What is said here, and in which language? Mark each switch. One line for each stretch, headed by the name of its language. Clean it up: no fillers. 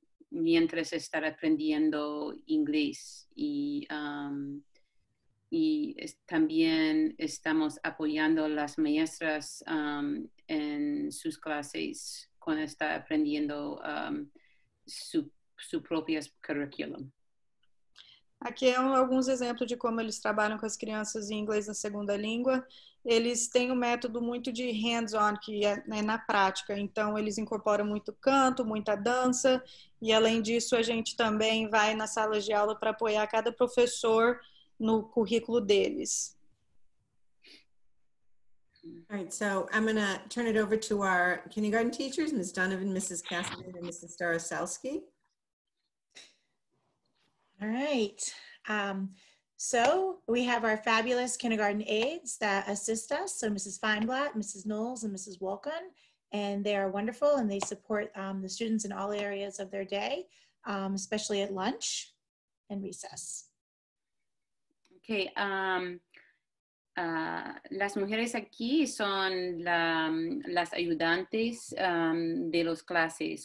Spanish: mientras estar aprendiendo inglés y, y también estamos apoyando las maestras en sus clases cuando está aprendiendo su propio curriculum.
Portuguese: Aqui são alguns exemplos de como eles trabalham com as crianças em inglês na segunda língua. Eles têm um método muito de hands-on, que é na prática. Então, eles incorporam muito canto, muita dança. E, além disso, a gente também vai nas salas de aula para apoiar cada professor no currículo deles.
English: All right, so I'm going to turn it over to our kindergarten teachers, Ms. Donovan, Mrs. Cassidy, and Mrs. Staroselsky. All right, so we have our fabulous kindergarten aides that assist us. So Mrs. Feinblatt, Mrs. Knowles, and Mrs. Wolken, and they are wonderful and they support the students in all areas of their day, especially at lunch and recess.
Spanish: Okay, las mujeres aquí son las ayudantes de los clases.